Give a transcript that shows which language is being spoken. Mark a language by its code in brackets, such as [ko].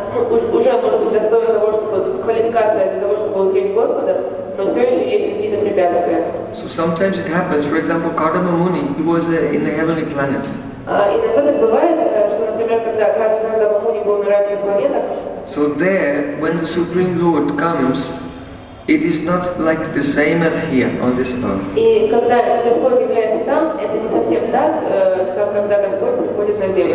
[ru] Уже может быть достоин того, чтобы квалификация для того, чтобы узреть Господа, но все еще есть какие-то препятствия. [en] So sometimes it happens, for example, Kardama Muni, he was in the heavenly planets. [ru] Иногда так бывает, что, например, когда Кардама Муни был на разных планетах. [en] So there, when the Supreme Lord comes, it is not like the same as here on this earth. [ru] И когда Господь является там, это не совсем так, как когда Господь приходит на Землю.